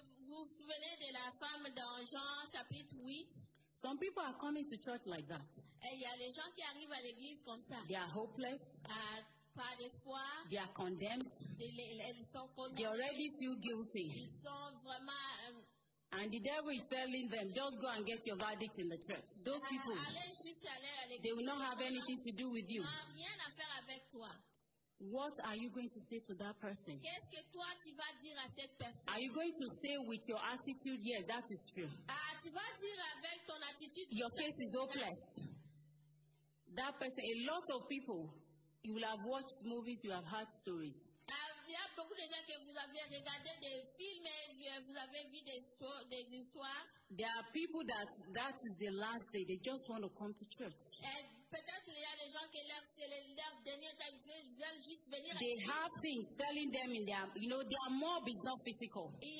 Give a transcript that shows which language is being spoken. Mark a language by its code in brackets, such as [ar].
[fr] Vous vous souvenez de la femme dans Jean chapitre 8? [en] Some people are coming to church like that. [fr] Et il y a les gens qui arrivent à l'église comme ça. [en] They are hopeless. [fr] Pas d'espoir. [en] They are condemned. [fr] Ils sont condamnés. [en] They already feel guilty. [fr] Ils sont vraiment. [en] And the devil is telling them, just go and get your verdict in the church. Those people, they will not have anything to do with you. [fr] Rien à faire avec toi. [en] What are you going to say to that person? [fr] Qu'est-ce que toi tu vas dire à cette personne? [en] Are you going to say with your attitude, yes, that is true. [fr] Tu vas dire avec ton attitude, [en] your case is hopeless. That person, a lot of people, you will have watched movies, you have heard stories. [fr] Il y a beaucoup de gens que vous avez regardé des films et vous avez vu des histoires. [en] There are people that is the last day. They just want to come to church. [fr] Peut-être il y a des gens qui leur dernier temps, ils veulent juste venir [en] they have things telling them in their, you know, their mob is not physical.